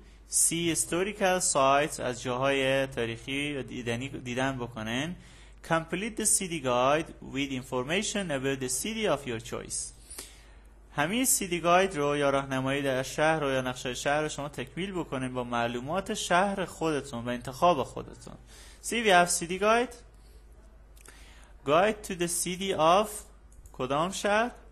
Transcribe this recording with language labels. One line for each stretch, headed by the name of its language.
English: See historical sites,
Persian: از جاهای تاریخی دیدن بکنن.
English: Complete the city guide with information about the city of your choice.
Persian: همین city guide رو یا راهنمایی در شهر رو یا نقشه شهر رو شما تکمیل بکنین با معلومات شهر خودتون و انتخاب خودتون.
English: See, we have city guide to the city of
Persian: کدام شهر.